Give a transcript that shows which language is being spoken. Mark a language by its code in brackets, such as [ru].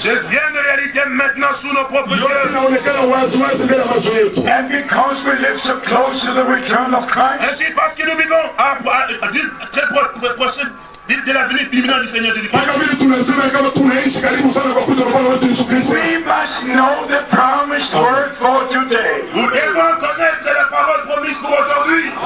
[fr] Devient une réalité maintenant sous nos propres yeux. [en] And because we live so close to the return of Christ. [fr] Ainsi parce que nous vivons à très proche de la venue imminente du Seigneur Jésus-Christ. [en] We must know the promised word for today. [fr] Nous devons connaître la parole promise pour aujourd'hui.